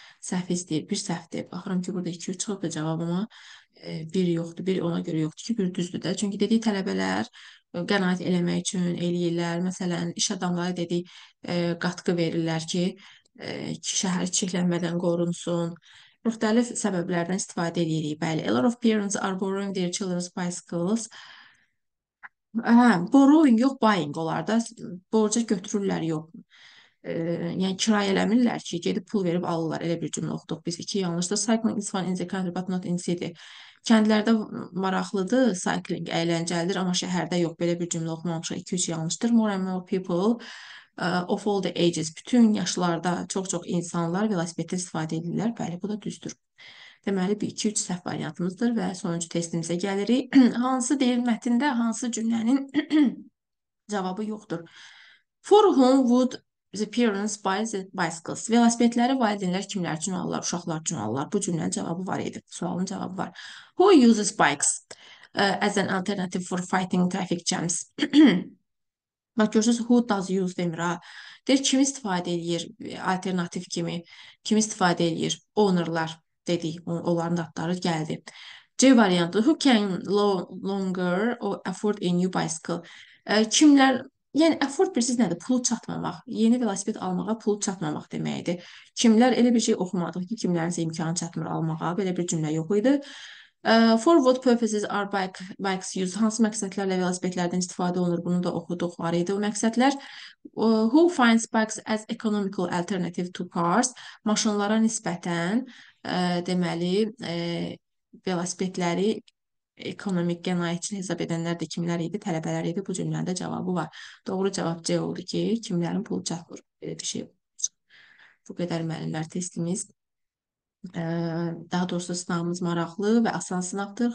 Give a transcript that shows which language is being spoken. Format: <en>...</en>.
<az>Səhv istəyir, bir səhvdir. Baxıram ki, burada 2-3 çıxıb da cavabıma bir yoxdur, bir ona görə yoxdur ki, bir düzdür də. Çünki dediyi tələbələr qənaət eləmək üçün eləyirlər. Məsələn, iş adamları dediyi qatqı verirlər ki, şəhər çirklənmədən qorunsun. Müxtəlif səbəblərdən istifadə edirik. Bəli,</az> <en>a lot of parents are borrowing their children's bicycles.</en> <az>Borrowing yox, buying olar da. Borca götürürlər, yox. Yəni, kirayə eləmirlər ki, gedib pul verib alırlar. Elə bir cümlə oxuduq biz iki yanlışdır.</az> <en>Cycling is fun in the country, but not in city.</en> <az>Kəndlərdə maraqlıdır, cycling əyləncəlidir, amma şəhərdə yox. Belə bir cümlə oxumamışıq. 2-3 yanlışdır.</az> <en>More and more people of all the ages,</en> <az>bütün yaşlarda çox-çox insanlar velosipeddən istifadə edirlər. Bəli, bu da düzdür. Deməli, bir, iki, üç səhv variantımızdır və sonuncu testimizə gəlirik. Hansı deyil mətndə, hansı cümlənin cavabı yoxdur?</az> <en>For whom would Parents buys bicycles.</en> <az>Velosipedləri valideynlər kimlər üçün alırlar? Uşaqlar üçün alırlar. Bu cümlənin cavabı var idi. Sualın cavabı var.</az> <en>Who uses bikes as an alternative for fighting traffic jams?</en> <az>Bak görürsünüz,</az> <en>who does use</en> <az>demir ha. Deyir, kim istifadə edir alternativ kimi? Kim istifadə edir? Ownerlar dedi. Onların da adları gəldi. C variantı.</az> <en>Who can longer or afford a new bicycle?</en> <az>Kimlər, yəni effort birisi nədir? Pul çatmamaq. Yeni velosiped almağa pul çatmamaq deməkdir. Kimlər, elə bir şey oxumadıq ki, kimlərinsə imkanı çatmır almağa. Belə bir cümlə yox idi.</az> <en>For what purposes are bikes used?</en> <az>Hansı məqsədlərlə velosipedlərdən istifadə olunur? Bunu da oxuduq, var idi o məqsədlər.</az> <en>Who finds bikes as economical alternative to cars?</en> <az>Maşınlara nisbətən deməli velosipedləri ekonomik qənaətçi hesab edənlər də kimlər idi? Tələbələr idi. Bu cümlənin də cavabı var. Doğru cavab C oldu ki, kimlərin pulu çatmır. Belə bir şey. Bu qədər müəllimlər testimiz. Daha doğrusu sınavımız maraqlı və asan sınaqdır.</az>